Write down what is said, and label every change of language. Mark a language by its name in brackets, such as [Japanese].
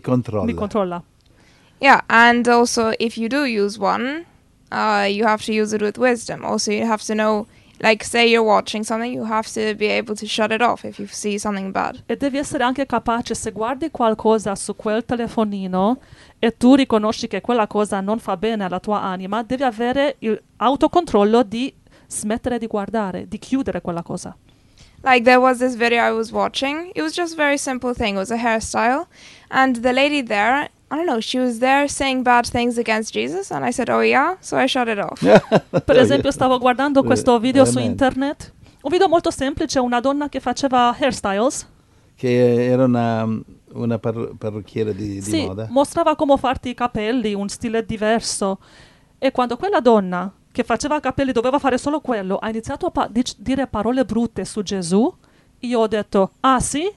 [Italian] controlla. Mi controlla. [English] Yeah, and also if you do use one... you have to use it with wisdom. Also, you have to know, like, say you're watching something, you have to be able to shut it off if you see something bad. [Italian] E devi essere anche capace, se guardi qualcosa su quel telefonino e tu riconosci che quella cosa non fa bene alla tua anima, devi avere il autocontrollo di smettere di guardare, di chiudere quella cosa. [English] Like, there was this video I was watching. It was just a very simple thing. It was a hairstyle. And the lady there... I don't know, she was there saying bad things against Jesus and I said, oh yeah, so I shut it off. [Italian] Per esempio, stavo guardando questo video su internet, un video molto semplice, una donna che faceva hairstyles. Che era una parrucchiera di sì, moda. Sì, mostrava come farti i capelli, un stile diverso. E quando quella donna che faceva capelli doveva fare solo quello, ha iniziato a dire parole brutte su Gesù, io ho detto, ah sì?